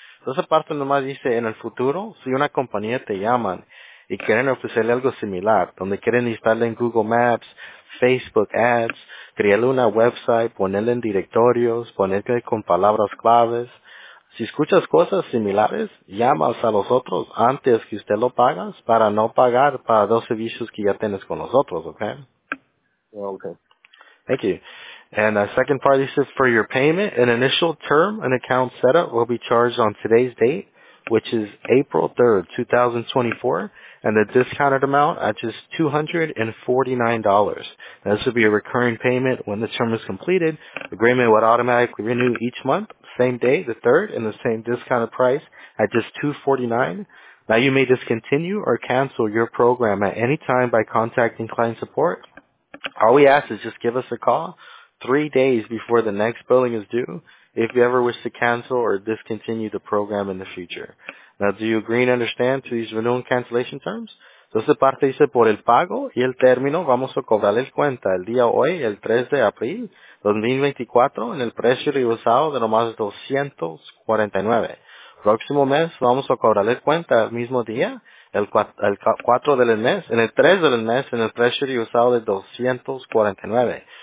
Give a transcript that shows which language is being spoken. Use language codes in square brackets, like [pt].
[es] Entonces, parte nomás dice, en el futuro, si una compañía te llaman y quieren ofrecerle algo similar, donde quieren instalarle en Google Maps, Facebook Ads, crearle una website, ponerle en directorios, ponerle con palabras claves, si escuchas cosas similares, llamas a los otros antes que usted lo pagas para no pagar para dos servicios que ya tienes con los otros, okay? [en] Okay. Thank you. And the second part is for your payment. An initial term and account setup will be charged on today's date, which is April 3rd, 2024, and the discounted amount at just $249. This will be a recurring payment when the term is completed. Agreement would automatically renew each month, same day, the 3rd, and the same discounted price at just $249. Now, you may discontinue or cancel your program at any time by contacting client support. All we ask is just give us a call 3 days before the next billing is due if you ever wish to cancel or discontinue the program in the future. Now, do you agree and understand to these renewal and cancellation terms? [es] Entonces, parte dice, por el pago y el término, vamos a cobrarle el cuenta el día hoy, el 3 de abril 2024, en el precio reusado de nomás $249. Próximo mes, vamos a cobrarle el cuenta el mismo día, el 4 del mes, en el 3 del mes, en el precio reusado de $249.